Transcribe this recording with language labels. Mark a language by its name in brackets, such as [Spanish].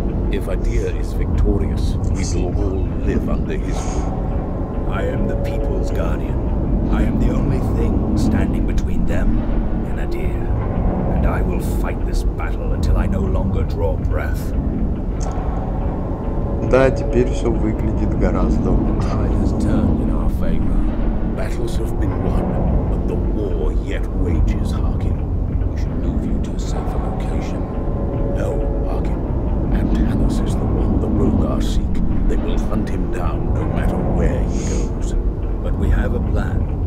[English] If Adir is victorious, we will all live under his rule. I am the people's guardian. I am the only thing standing between them and Adir. And I will fight this battle until I no longer draw breath. [Russian] Да, теперь все выглядит гораздо лучше. [English] The tide has turned in our favor. Battles have been won, but the war yet wages, Harkin. We should move you to a safer location. No, Harkin. Antanas is the one the Rogar seek. They will hunt him down no matter where he goes. But we have a plan.